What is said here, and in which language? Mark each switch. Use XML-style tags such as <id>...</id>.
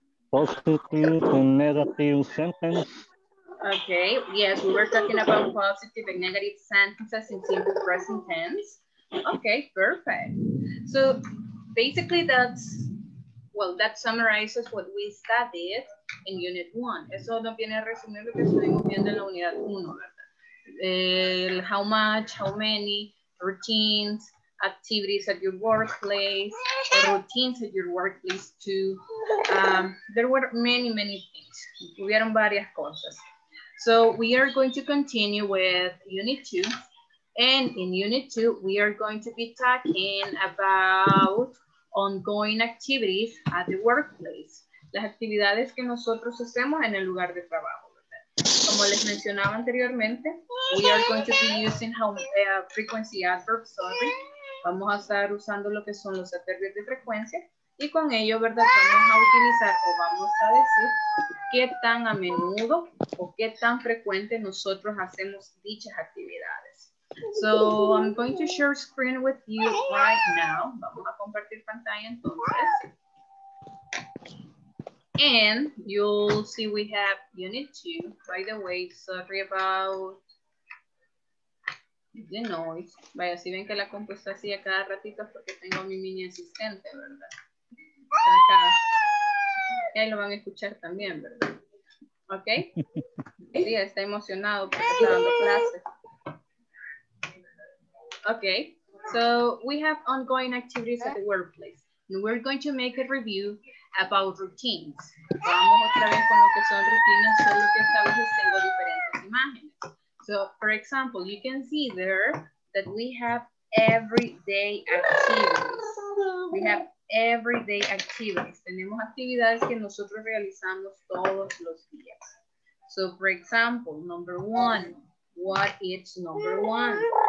<en>Positive and negative sentences. Okay, yes, we were talking about positive and negative sentences in simple present tense. Okay, perfect. So basically, that's well, that summarizes what we studied in Unit 1.</en> <es>Eso nos viene a resumir lo que estuvimos viendo en la Unidad 1, ¿verdad?</es> <en>El how much, how many, routines, activities at your workplace, routines at your workplace too. There were many, many things.</en> <es>Hubieron varias cosas.</es> <en>So we are going to continue with Unit 2. And in Unit 2, we are going to be talking about ongoing activities at the workplace.</en> <es>Las actividades que nosotros hacemos en el lugar de trabajo, ¿verdad? Como les mencionaba anteriormente,</es> <en>we are going to be using frequency adverbs, sorry.</en> <es>Vamos a estar usando lo que son los adverbios de frecuencia y con ello, ¿verdad? Vamos a utilizar o vamos a decir qué tan a menudo o qué tan frecuente nosotros hacemos dichas actividades.</es> <en>So, I'm going to share screen with you right now.</en> <es>Vamos a compartir pantalla entonces.</es> <en>And you'll see we have Unit 2. By the way, sorry about the noise.</en> <es>Vaya, si ven que la compu está así a cada ratito porque tengo mi mini asistente, ¿verdad? Está acá. Y ahí lo van a escuchar también, ¿verdad? ¿Ok? Sí, está emocionado porque está dando clases.</es> <en>Okay, so we have ongoing activities at the workplace. And we're going to make a review about routines.</en> <es>Vamos otra vez con lo que son rutinas, solo que esta vez tengo diferentes imágenes.</es> <en>So, for example, you can see there that we have everyday activities. We have everyday activities.</en> <es>Tenemos actividades que nosotros realizamos todos los días.</es> <en>So, for example, number one, what is number one?</en>